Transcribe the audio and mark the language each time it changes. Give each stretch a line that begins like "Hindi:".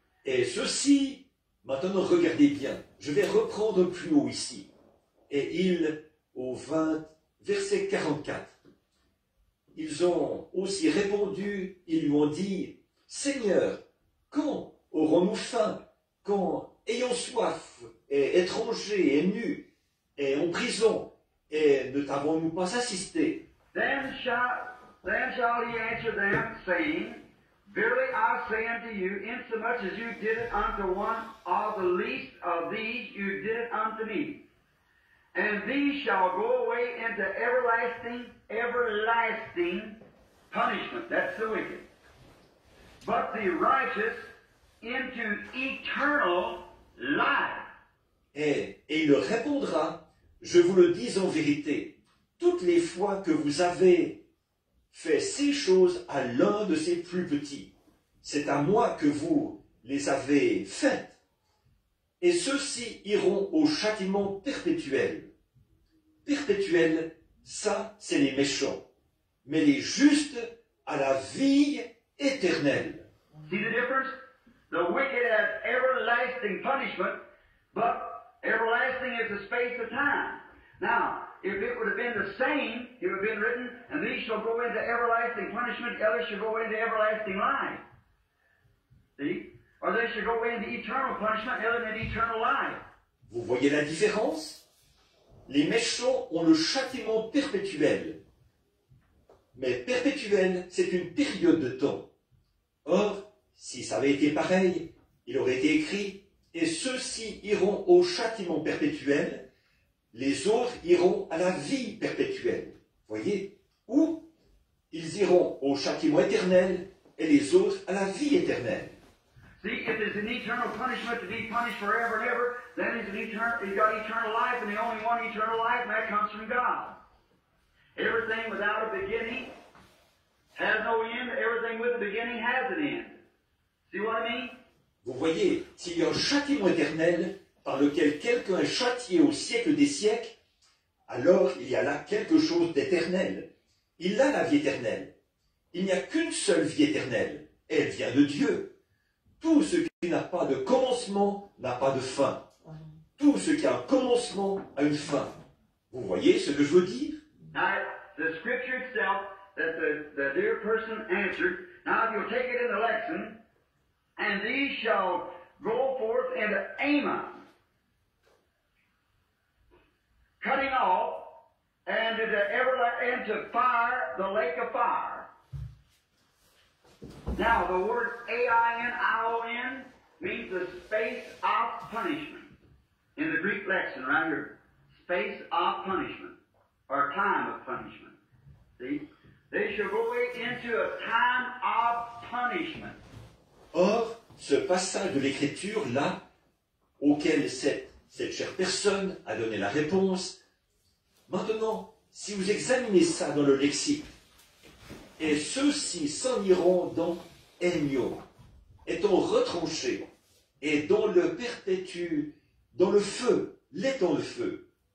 French: Et ceci, maintenant regardez bien. Je vais reprendre plus haut ici. Et il, au 20, verset 44. Ils ont aussi répondu, ils lui ont dit, « Seigneur, quand aurons-nous faim, quand ayons soif, et étrangers, et nus, et en prison, et ne t'avons-nous pas assisté ?»
English: Then shall he answer them, saying, « Verily I say unto you, insomuch as you did it unto one of the least of these, you did it unto me. And these shall go away into everlasting punishment. That's the wicked. But the righteous into eternal life.
French: Et il répondra, je vous le dis en vérité, toutes les fois que vous avez fait ces choses à l'un de ces plus petits, c'est à moi que vous les avez faites. Et ceux-ci iront au châtiment perpétuel. Perpétuel, ça, c'est les méchants. Mais les justes à la vie éternelle.
English: See the difference? The wicked have everlasting punishment, but everlasting is a space of time. Now, if it would have been the same, it would have been written, and these shall go into everlasting punishment, the others shall go into everlasting life. See? Or they shall go into eternal punishment, the others into eternal life.
French: Vous voyez la différence? Les méchants ont le châtiment perpétuel. Mais perpétuel, c'est une période de temps. Or, si ça avait été pareil, il aurait été écrit, et ceux-ci iront au châtiment perpétuel, les autres iront à la vie perpétuelle. Voyez ? Ou, ils iront au châtiment éternel, et les autres à la vie éternelle.
English: See, if there's an eternal punishment to be punished forever and ever, then he's got eternal life, and the only one eternal life, and that comes from God. Everything without a beginning has no end. Everything with a beginning has an end. See what I mean?
French: Vous voyez, s'il y a un châtiment éternel par lequel quelqu'un est châtié au siècle des siècles, alors il y a là quelque chose d'éternel. Il a la vie éternelle. Il n'y a qu'une seule vie éternelle. Elle vient de Dieu. Tout ce qui n'a pas de commencement n'a pas de fin. Tout ce qui a un commencement a une fin. Vous voyez ce que je veux dire?
English: Now, the scripture itself that the dear person answered, now if you'll take it in the lesson, and these shall go forth into Ama, cutting off, and into fire, the lake of fire. Now, the word A-I-N-I-O-N means the space of punishment. In the Greek lexicon, right here, space of punishment, or time of punishment. They shall go into a time of punishment.
French: Or, ce passage de l'Écriture, là, auquel cette chère personne a donné la réponse, maintenant, si vous examinez ça dans le lexique, et ceux-ci s'en iront dans Ennio, étant retranchés, et dans le perpétue, dans le feu, l'étant le feu.